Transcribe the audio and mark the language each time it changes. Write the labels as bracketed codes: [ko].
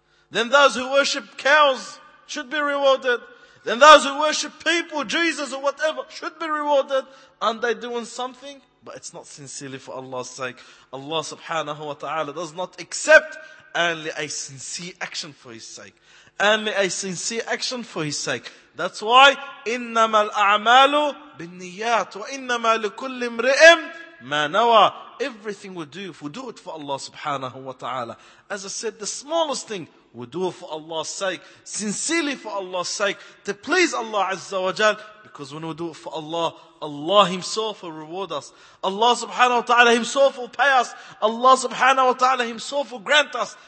[en] Then those who worship cows should be rewarded. Then those who worship people, Jesus or whatever, should be rewarded. And they're doing something, but it's not sincerely for Allah's sake. Allah subhanahu wa ta'ala does not accept only a sincere action for His sake. Only a sincere action for His sake. [ar] That's why, إِنَّمَا الْأَعْمَالُ بِالنِّيَّاتِ وَإِنَّمَا لِكُلِّ امْرِئٍ مَا نَوَى. [en] Everything we do it for Allah subhanahu wa ta'ala. As I said, the smallest thing, we do it for Allah's sake, sincerely for Allah's sake, to please Allah Azza wa Jal. Because when we do it for Allah, Allah Himself will reward us. Allah subhanahu wa ta'ala Himself will pay us. Allah subhanahu wa ta'ala Himself will grant us.